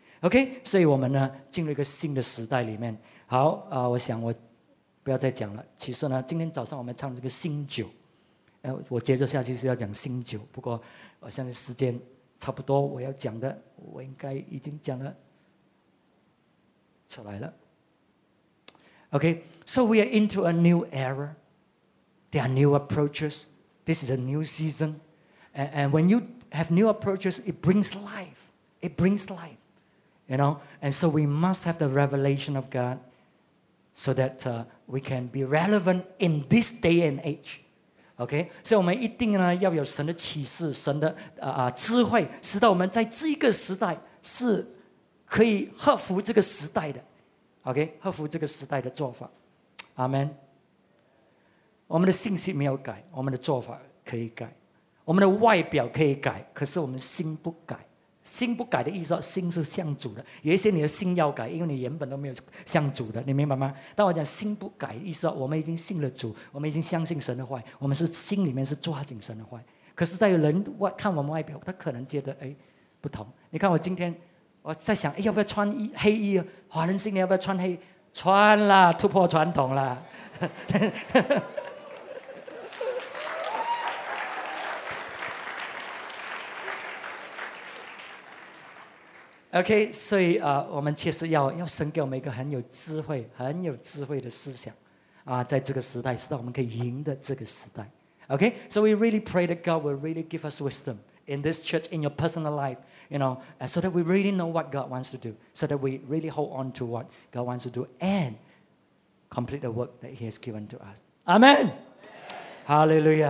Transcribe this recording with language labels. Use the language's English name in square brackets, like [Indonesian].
[Chinese] OK， 所以我们呢进入一个新的时代里面。好，我想我不要再讲了。其实呢，今天早上我们唱这个新酒，我接着下去是要讲新酒。不过我相信时间差不多，我要讲的我应该已经讲了出来了。 [English] OK， so we are into a new era. There are new approaches. This is a new season. And when you have new approaches, it brings life. It brings life, you know. And so we must have the revelation of God so thatWe can be relevant in this day and age. Okay? [Chinese] 所以我们一定呢要有神的启示，神的智慧，使到我们在这个时代是可以合乎这个时代的。 Okay? 合乎这个时代的做法。Amen. 我们的信息没有改，我们的做法可以改。我们的外表可以改，可是我们心不改。心不改的意思，心是向主的。有一些你的心要改，因为你原本都没有向主的，你明白吗？当我讲心不改的意思，我们已经信了主，我们已经相信神的话，我们是心里面是抓紧神的话。可是在人外看我们外表，他可能觉得哎不同。你看我今天我在想，哎，要不要穿黑衣，华人新年要不要穿黑，穿了，突破传统了。 OK， 所以我们确实要神给我们一个很有智慧、很有智慧的思想，在这个时代，使到我们可以赢得这个时代。 [English] OK， so we really pray that God will really give us wisdom in this church, in your personal life, you know, so that we really know what God wants to do, so that we really hold on to what God wants to do and complete the work that He has given to us. Amen. Amen. Hallelujah.